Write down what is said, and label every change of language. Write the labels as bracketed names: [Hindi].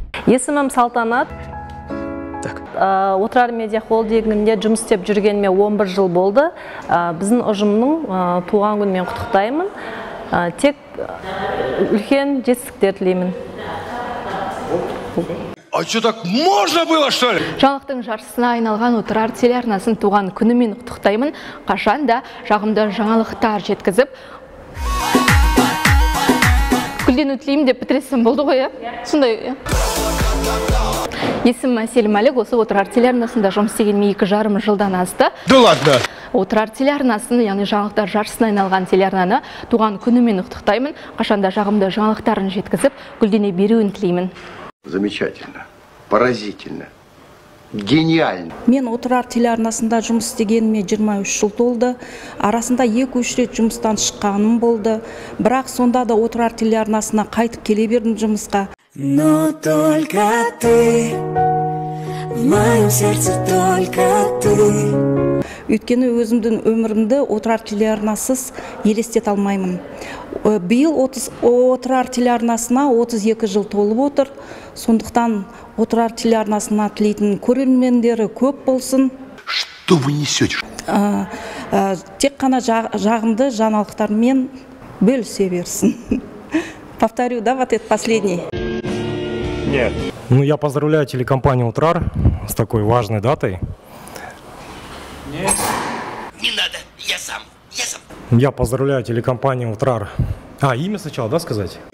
[Kazakh] Есімім Салтанат. Отырар медиа холдингінде жұмыс істеп жүргеніме 11 жыл болды. Біздің ұжымның туған күнімен құттықтаймын. Тек үлкен жетістіктер тілеймін. [Russian] А что так можно было, что ли? [Kazakh] Жаңалықтың жарысына айналған Отырар телеарнасын туған күнімен құттықтаймын. Қашан да жағымды жаңалықтар жеткізіп. Күлден өтілейім деп бітіресім болды ғой, ә? Сонда, есімім Әсел Мәлік, осы Отырар телеарнасында жұмыс істегеніме 2,5 жылдан асты. [Russian] Да ладно! [Kazakh] Отырар телеарнасын, яғни жаңалықтар жарысына айналған телеарнаны туған күнімен құттықтаймын. Қашанда жағымды жаңалықтарын жеткізіп, гүлдене беруін тілеймін. [Russian] Замечательно, поразительно, гениально. [Kazakh] Мен Отырар телеарнасында жұмыс істегеніме 23 жыл толды. Арасында 2-3 рет жұмыстан шыққаным болды. Бірақ сонда да Отырар телеарнасына қайтып келе бердім жұмысқа. [Russian] Но только ты, в моем сердце только ты. [Kazakh] Өйткені өзімдің өмірімді Отырар телеарнасыз елестет алмаймын. Биыл Отырар телеарнасына 32 жыл толып отыр. Сондықтан Отырар телеарнасына тілейтін көрермендері көп болсын. [Russian] Что вы несете? [Kazakh] Тек қана жағымды жаңалықтармен бөлісе берсін. [Russian] Повторю, да, вот этот последний. Нет. Ну, я поздравляю телекомпанию «Утрар» с такой важной датой. Нет. Не надо, я сам. Я поздравляю телекомпанию «Утрар». А, имя сначала, да, сказать?